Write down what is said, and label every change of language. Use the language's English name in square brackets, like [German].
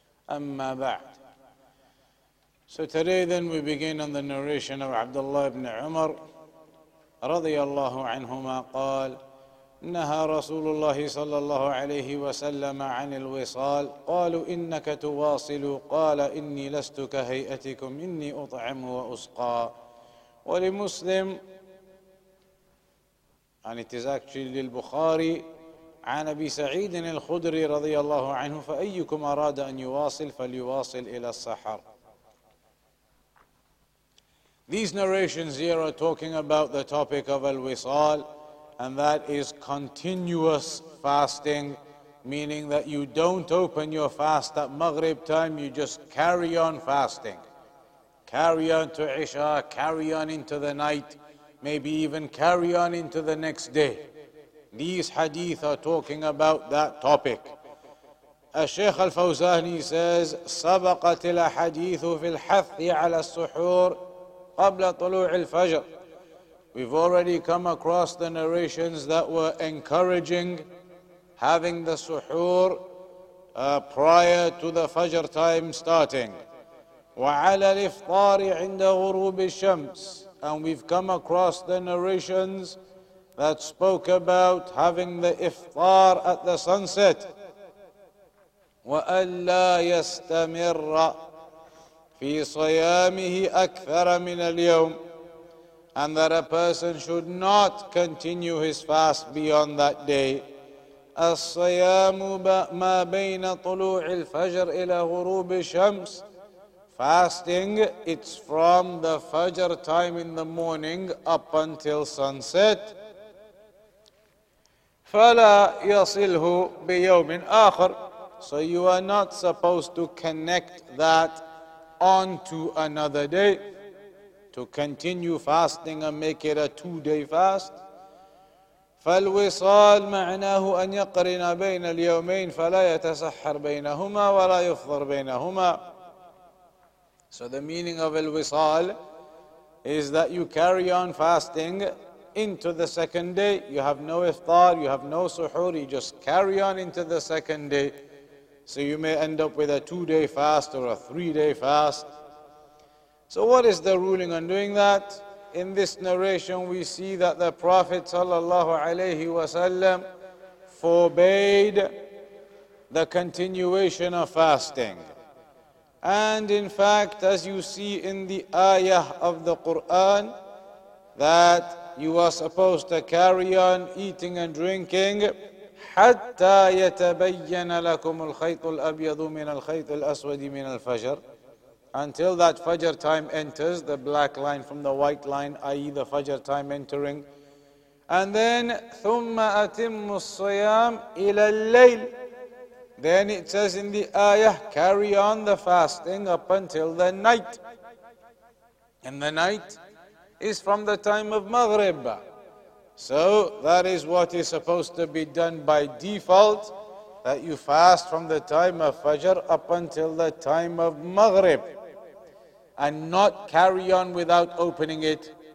[Arabic] أما بعد، [English] so today then we begin on the narration of Abdullah ibn Umar [Arabic] رضي الله عنهما قال نهى رسول الله صلى الله عليه وسلم عن الوصال قالوا إنك تواصل قال إني لست كهيئتكم إني أطعم وأسقى. ولمسلم [English] and it is actually [Arabic] البخاري عن أبي سعيد الخدري رضي الله عنه فأيكم أراد أن يواصل فليواصل إلى السحر. [English] These narrations here are talking about the topic of al-wisal, and that is continuous fasting, meaning that you don't open your fast at Maghrib time, you just carry on fasting. Carry on to Isha, carry on into the night, maybe even carry on into the next day. These hadith are talking about that topic. [Arabic] الشيخ الفوزاني says, سبقت الأحاديث في الحث على السحور قبل طلوع الفجر. [English] We've already come across the narrations that were encouraging having the suhoor prior to the fajr time starting. [Arabic] وعلى الإفطار عند غروب الشمس. [English] And we've come across the narrations that spoke about having the iftar at the sunset. [Arabic] وألا يستمر في صيامه أكثر من اليوم. [English] And that a person should not continue his fast beyond that day. [Arabic] الصيام ما بين طلوع الفجر إلى غروب الشمس. [English] Fasting, it's from the fajr time in the morning up until sunset. [Arabic] فلا يصله بيوم آخر. [English] So you are not supposed to connect that onto another day, to continue fasting and make it a two-day fast. [Arabic] فالوصال معناه أن يقرن بين اليومين فلا يتسحر بينهما ولا يفطر بينهما. [English] So the meaning of الوصال is that you carry on fasting into the second day. You have no iftar, you have no suhoor, you just carry on into the second day. So you may end up with a two-day fast or a three-day fast. So what is the ruling on doing that? In this narration, we see that the Prophet sallallahu alayhi wasallam forbade the continuation of fasting. And in fact, as you see in the ayah of the Quran, that you are supposed to carry on eating and drinking [Arabic] حتى يتبين لكم الخيط الأبيض من الخيط الأسود من الفجر. [English] Until that fajr time enters, the black line from the white line, i.e. the fajr time entering. And then, [Arabic] ثم أتم الصيام إلى الليل. [English] Then it says in the ayah, carry on the fasting up until the night. And the night is from the time of Maghrib. So that is what is supposed to be done by default, that you fast from the time of Fajr up until the time of Maghrib and not carry on without opening it.